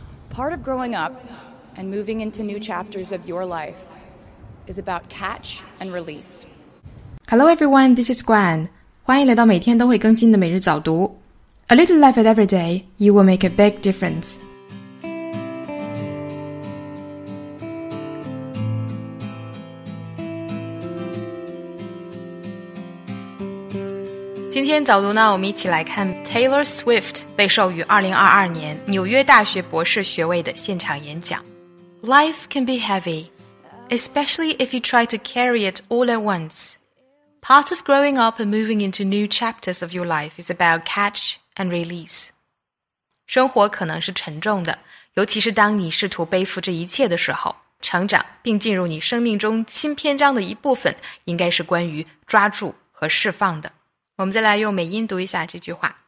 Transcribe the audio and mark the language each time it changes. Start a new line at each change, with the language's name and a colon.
English: Part of growing up and moving into new chapters of your life is about catch and release. Hello everyone, this is Gwen.
Chinese: 欢迎来到每天都会更新的每日早读。
English: A little life at every day, you will make a big difference.
Chinese: 今天早读呢，我们一起来看 Taylor Swift 被授予2022年纽约大学博士学位的现场演讲。
English: Life can be heavy, especially if you try to carry it all at once. Part of growing up and moving into new chapters of your life is about catch and release.
Chinese: 生活可能是沉重的，尤其是当你试图背负这一切的时候，成长并进入你生命中新篇章的一部分，应该是关于抓住和释放的。我们再来用美音读一下这句话。